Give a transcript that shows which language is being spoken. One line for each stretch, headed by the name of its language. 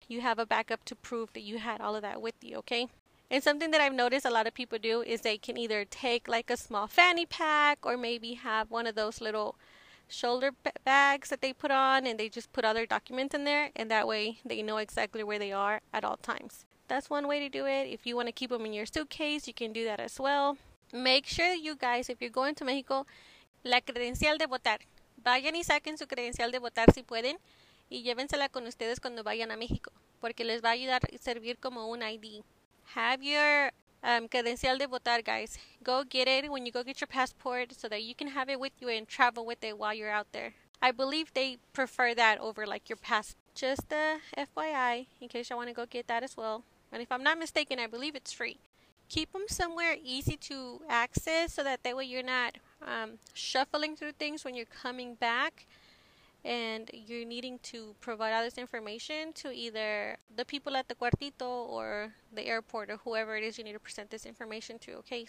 English: You have a backup to prove that you had all of that with you, okay? And something that I've noticed a lot of people do is they can either take like a small fanny pack or maybe have one of those little shoulder bags that they put on and they just put other documents in there. And that way they know exactly where they are at all times. That's one way to do it. If you want to keep them in your suitcase, you can do that as well. Make sure you guys, if you're going to Mexico,
Spanish: la credencial de votar. Vayan y saquen su credencial de votar si pueden y llévensela con ustedes cuando vayan a México porque les va a ayudar a servir como un ID.
English: Have your credencial de votar, guys. Go get it when you go get your passport so that you can have it with you and travel with it while you're out there. I believe they prefer that over like your passport. Just a FYI, in case you want to go get that as well. And if I'm not mistaken, I believe it's free. Keep them somewhere easy to access so that that way you're not shuffling through things when you're coming back and you're needing to provide all this information to either the people at the cuartito or the airport or whoever it is you need to present this information to, okay?